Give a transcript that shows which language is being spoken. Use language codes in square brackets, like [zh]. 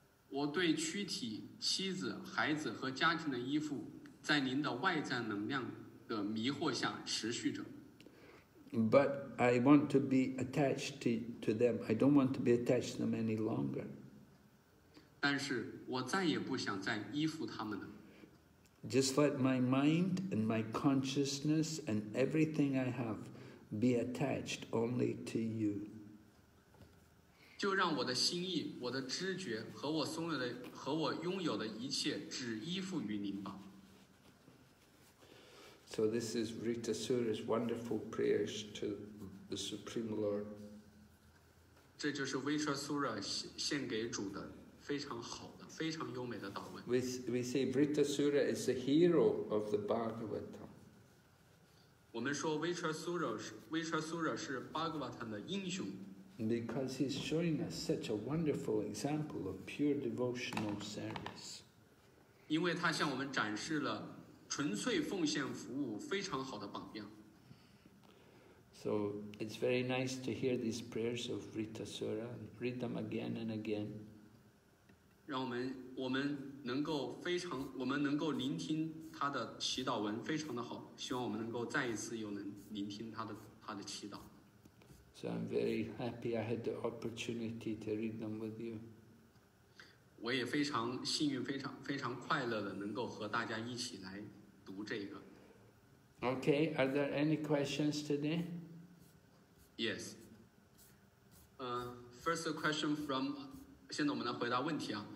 [zh] 我对躯体、妻子、孩子和家庭的依附，在您的外在能量的迷惑下持续着。 [en] But I want to be attached to them. I don't want to be attached to them any longer. [zh] 但是我再也不想再依附他们了。 [en] Just let my mind and my consciousness and everything I have be attached only to you. [zh] 就让我的心意、我的知觉和我所有的和我拥有的一切只依附于您吧。 [en] So this is Vritasura's wonderful prayers to the Supreme Lord. [zh] 这就是 Vritasura 献给主的非常好。非常优美的祷文。 [en] We say Vritasura is the hero of the Bhagavatam. [zh] 我们说 Vritasura 是 Bhagavatam 的英雄。 [en] Because he's showing us such a wonderful example of pure devotional service. [zh] 因为他向我们展示了纯粹奉献服务非常好的榜样。 [en] So it's very nice to hear these prayers of Vritasura. Read them again and again. [zh] 让我们能够非常，我们能够聆听他的祈祷文，非常的好。希望我们能够再一次又能聆听他的祈祷。 [en] So I'm very happy I had the opportunity to read them with you. [zh] 我也非常幸运，非常非常快乐的能够和大家一起来读这个。 [en] Okay, are there any questions today? Yes. First question from. [zh] 现在我们来回答问题啊。